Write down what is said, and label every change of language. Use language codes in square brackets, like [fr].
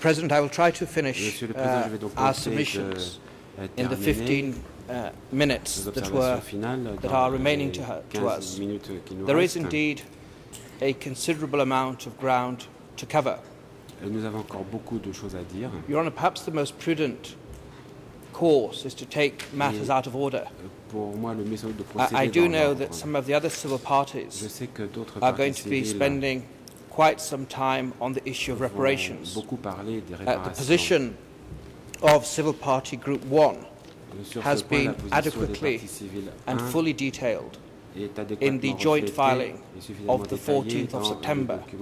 [en] President, I will try to finish our submissions in the 15 minutes that are remaining to us. There is indeed a considerable amount of ground to cover. [fr] Nous avons encore beaucoup de choses à dire. [en] Your Honour, perhaps the most prudent course is to take matters out of order. [fr] Pour moi, le méthode de procéder [en] I do know that some of the other civil parties are going to be spending quite some time on the issue of reparations. [fr] Beaucoup parler des réparations. [en] The position of Civil Party Group 1 has been adequately and fully detailed in the joint filing of the 14th of September.